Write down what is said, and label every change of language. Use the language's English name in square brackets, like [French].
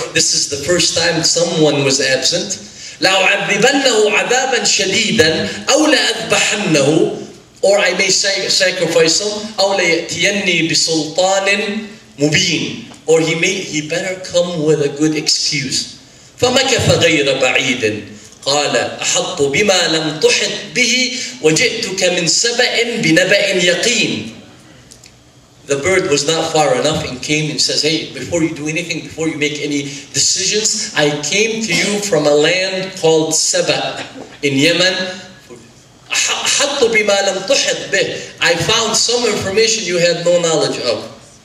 [English] This is the first time someone was absent. [Arabic] لَأُعَذِّبَنَّهُ عَذَابًا شَدِيدًا أَوْ لَأَذْبَحَنَّهُ [English] or I may sacrifice him. [Arabic] أو ليأتيني بسلطان مبين. [English] Or he better come with a good excuse. [Arabic] فمكث غير بعيد قال أحط بما لم تحط به وجئتك من سبأ بنبأ يقين. [English] The bird was not far enough and came and says, hey, before you do anything, before you make any decisions, I came to you from a land called Saba in Yemen. [Arabic] حَطُّ بِمَا لَمْ تُحِطْ بِهِ [English] I found some information you had no knowledge of.